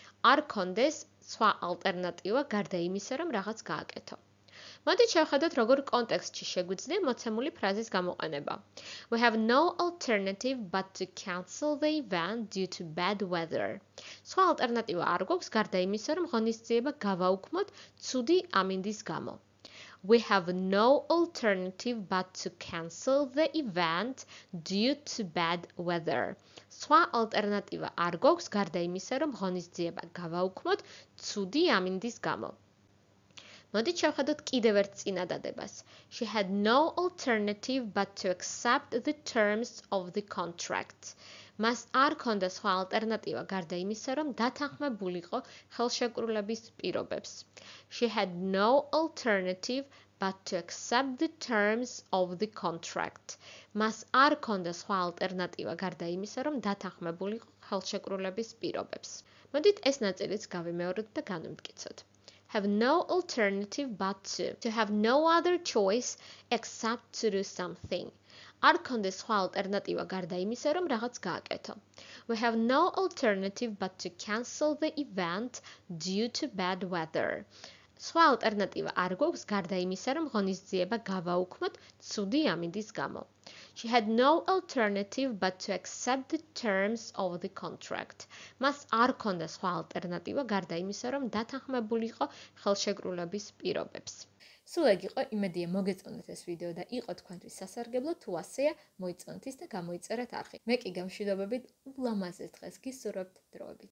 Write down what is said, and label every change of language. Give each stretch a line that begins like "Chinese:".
Georgian: არ ქონდეს სხვა ალტერნატივა გარდა იმისა, რომ რაღაც გააკეთო. მოდით შევხედოთ, როგორ კონტექსტში შეგვიძლია მოცემული ფრაზის გამოყენება.
English: We have no alternative but to cancel the event due to bad weather.
Georgian: სხვა ალტერნატივა არ გვაქვს გარდა იმისა, რომ ღონისძიება გავაუქმოთ ცუდი ამინდის გამო.
English: We have no alternative but to cancel the event due to bad weather.
Georgian: სხვა ალტერნატივა არ გვაქვს გარდა იმისა, რომ ღონისძიება გავაუქმოთ ცუდი ამინდის გამო. მოდით შევხედოთ კიდევ ერთ წინადადებას.
English: She had no alternative but to accept the terms of the contract.
Georgian: მას არ ქონდა სხვა ალტერნატივა გარდა იმისა, რომ დათანხმებულიყო ხელშეკრულების პირობებს.
English: She had no alternative but to accept the terms of the contract.
Georgian: მას არ ქონდა სხვა ალტერნატივა გარდა იმისა, რომ დათანხმებულიყო ხელშეკრულების პირობებს. მოდით ეს ნაწილიც გავიმეორებ და განვიმტკიცოთ.
English: Have no alternative but to have no other choice except to do something.
Georgian: არ ქონდეს სხვა ალტერნატივა გარდა იმისა, რომ რაღაც გააკეთო.
English: We have no alternative but to cancel the event due to bad weather.
Georgian: სხვა ალტერნატივა არ გვაქვს გარდა იმისა, რომ ღონისძიება გავაუქმოთ ცუდი ამინდის გამო.
English: She had no alternative but to accept the terms of the contract.
Georgian: მას არ ქონდა სხვა ალტერნატივა გარდა იმისა, რომ დათანხმებულიყო ხელშეკრულების პირობებს. სულ ეგ იყო, იმედია მოგეწონეთ ეს ვიდეო და იყო თქვენთვის სასარგებლო, თუ ასეა, მოიწონეთ ის და გამოიწერეთ არხი. მე კი გამშვიდობებით, ულამაზეს დღეს გისურვებთ დროებით.